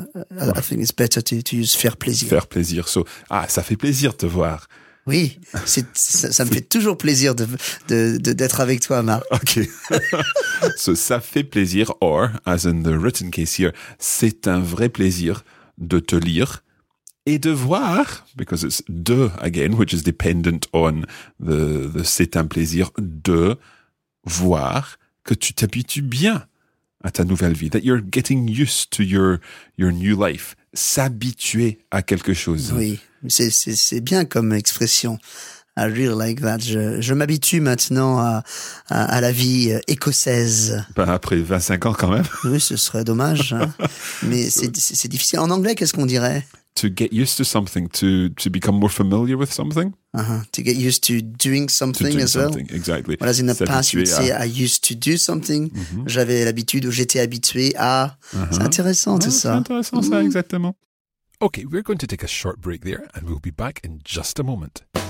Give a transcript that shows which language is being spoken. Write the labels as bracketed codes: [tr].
[en] I think it's better to use faire plaisir. [fr] Faire plaisir. So, ah, ça fait plaisir de te voir. Oui, ça me fait toujours plaisir d'être avec toi, Marc. Ok. So, ça fait plaisir, [en] or, as in the written case here, [fr] c'est un vrai plaisir de te lire et de voir, [en] because it's de again, which is dependent on the [fr] c'est un plaisir de voir que tu t'habitues bien à ta nouvelle vie, [en] that you're getting used to your new life, [fr] s'habituer à quelque chose. Oui. C'est bien comme expression. [en] I really like that. [fr] Je m'habitue maintenant à la vie écossaise. Ben après 25 ans quand même. Oui, ce serait dommage. Hein. Mais c'est difficile. En anglais, qu'est-ce qu'on dirait? [en] To get used to something, to become more familiar with something. To get used to doing something to do as something. Well. Exactly. Whereas in the past, you'd say, I used to do something. Mm-hmm. [fr] J'avais l'habitude ou j'étais habitué à... Uh-huh. C'est intéressant, tout ça. C'est intéressant, ça, exactement. [en] Okay, we're going to take a short break there and we'll be back in just a moment.